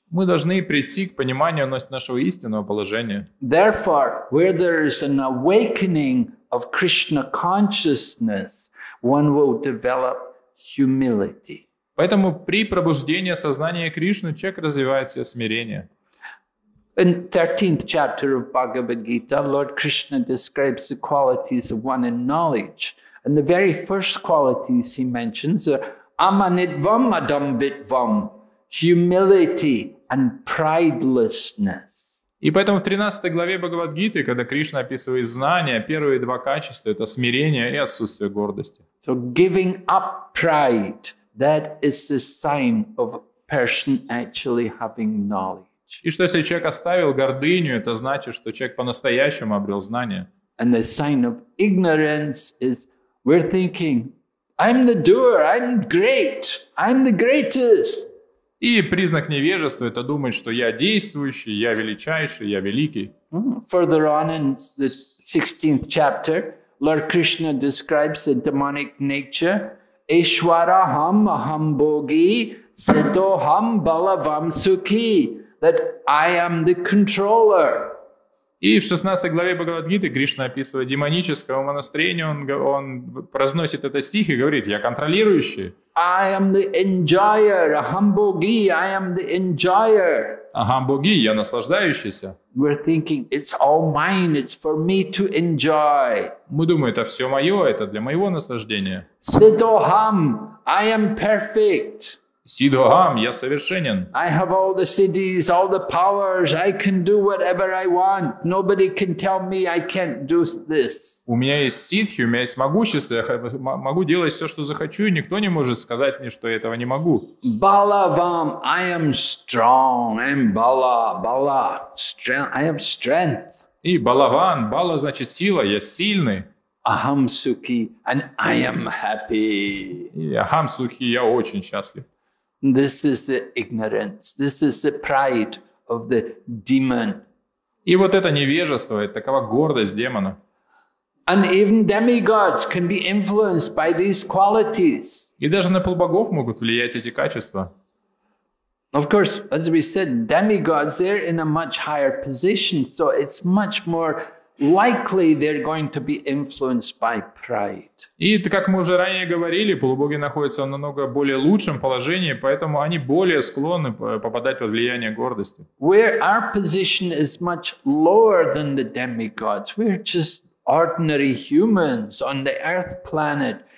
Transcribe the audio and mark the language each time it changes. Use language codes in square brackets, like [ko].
[ru] Мы должны прийти к пониманию нашего истинного положения. [en] Therefore, where there is an awakening of Krishna consciousness, one will develop humility. [ru] Поэтому при пробуждении сознания Кришны человек развивает себя смирение. [en] In 13th chapter of Bhagavad Gita, Lord Krishna describes the qualities of one in knowledge. And the very first qualities he mentions are [sa] amanitvam adambitvam, [en] humility and pridelessness. [ru] И поэтому в 13 главе Бхагавад-гиты, когда Кришна описывает знания, первые два качества — это смирение и отсутствие гордости. [en] So giving up pride, that is the sign of a person actually having knowledge. [ru] И что если человек оставил гордыню, это значит, что человек по-настоящему обрел знания. [en] And the sign of ignorance is we're thinking, I'm the doer, I'm great, I'm the greatest. [ru] И признак невежества — это думать, что я действующий, я величайший, я великий. [en] Further on in the 16th chapter, Lord Krishna describes the demonic nature. [sa] Ishwaraham aham bogi, siddoham balavam sukhi. [en] That I am the controller. [ru] И в 16 главе Бхагавад-гиты Кришна описывает демоническое умонастроение. Он произносит этот стих и говорит: «Я контролирующий». [en] I am the enjoyer, [sa] aham bogi, [en] I am the enjoyer. [sa] Aham bogi, [ru] я наслаждающийся. [en] We're thinking it's all mine, it's for me to enjoy. [ru] Мы думаем, это все мое, это для моего наслаждения. [en] Siddoham, I am perfect. [ru] Сидхам, я совершенен. [en] I have all the cities, all the powers. I can do whatever I want. Nobody can tell me I can't do this. [ru] У меня есть сидхи, у меня есть могущество. Я могу делать все, что захочу, и никто не может сказать мне, что я этого не могу. [en] Balavam, I am strong. I am bala, bala, strength. I am strength. [ru] И балаван, бала значит сила, я сильный. [sa] Aham sukhi, [en] and I am happy. [ru] И [sa] aham sukhi, [ru] я очень счастлив. [en] This is the ignorance. This is the pride of the demon. [ru] И вот это невежество, это такова гордость демона. [en] And even demigods can be influenced by these qualities. [ru] И даже на полубогов могут влиять эти качества. [en] Of course, as we said, demigods, they're in a much higher position, so it's much more likely they're going to be influenced by pride. [ru] И как мы уже ранее говорили, полубоги находятся в намного более лучшем положении, поэтому они более склонны попадать под влияние гордости. [en] Where our position is much lower than the demigods. We're just ordinary humans on the earth planet.